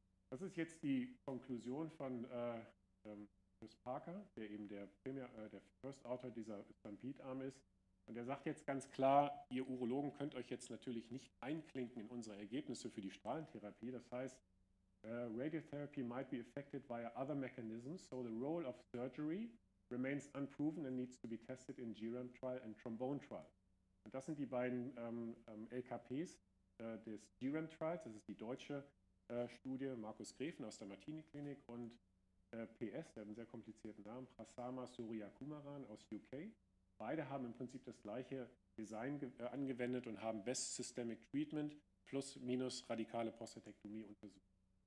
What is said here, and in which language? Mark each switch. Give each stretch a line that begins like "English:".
German: Das ist jetzt die Konklusion von Chris Parker, der eben der First Author dieser Stampede-Arm ist. Und er sagt jetzt ganz klar, ihr Urologen könnt euch jetzt natürlich nicht einklinken in unsere Ergebnisse für die Strahlentherapie. Das heißt,
English: Radiotherapy might be affected via other mechanisms, so the role of surgery remains unproven and needs to be tested in GRAM trial and trombone trial.
German: Und das sind die beiden LKPs des GRAM trials, das ist die deutsche Studie, Markus Greven aus der Martini-Klinik und PS, der hat einen sehr komplizierten Namen, Prasama Suryakumaran aus UK. Beide haben im Prinzip das gleiche Design angewendet und haben Best Systemic Treatment plus minus radikale Prostatektomie untersucht.